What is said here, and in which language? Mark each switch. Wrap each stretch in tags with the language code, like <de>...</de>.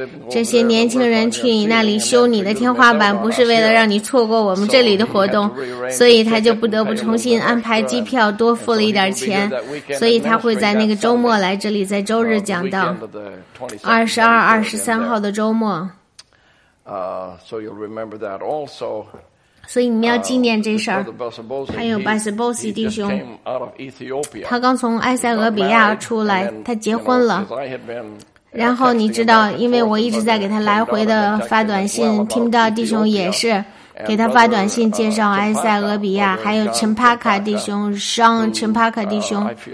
<zh>这些年轻人去你那里修你的天花板，不是为了让你错过我们这里的活动，所以他就不得不重新安排机票，多付了一点钱。所以他会在那个周末来这里，在周日讲到22、23号的周末。</zh> <en>So you'll remember that also.</en> <zh>所以你们要纪念这事儿。还有 Busabosi 弟兄，他刚从埃塞俄比亚出来，他结婚了。然后你知道，因为我一直在给他来回的发短信 ，Tim Dodd 弟兄也是给他发短信介绍埃塞俄比亚，还有 Chimpaka 弟兄 ，Sean Chimpaka 弟兄。</zh>